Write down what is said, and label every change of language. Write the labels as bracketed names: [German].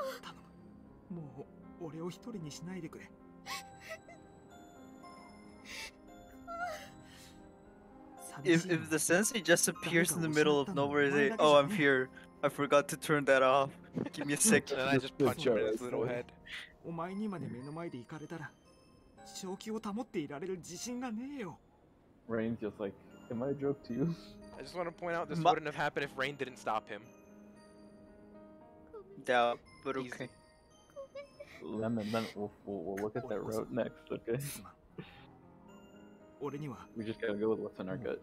[Japanese] 俺が決めてた覚悟な。お前を一人で死なせたりしない。行く時も帰る時も二人一緒だってことだよ。でも、もう俺を一人にしないでくれ。 [English] If the sensei just appears in the middle of nowhere, they say, oh, I'm here. I forgot to turn that off. Give me a second. And I just punch him in his little head. [Japanese] お前にまで目の前で行かれたら正気を保っていられる自信がねえよ。 [English] Rain's just like, am I a joke to you? I just want to point out this wouldn't have happened if Rain didn't stop him. Doubt, yeah, but okay. Lemon, we'll look at that route next, okay? We just gotta go with what's in our gut.